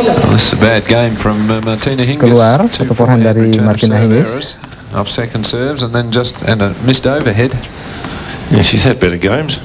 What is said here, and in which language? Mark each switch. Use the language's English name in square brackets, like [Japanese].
[English] This is a bad game from Martina Hingis. [Indonesian] Keluar satu forehand dari Martina Hingis. [English] Off second serves and then just and a missed overhead. Yeah, she's had better games.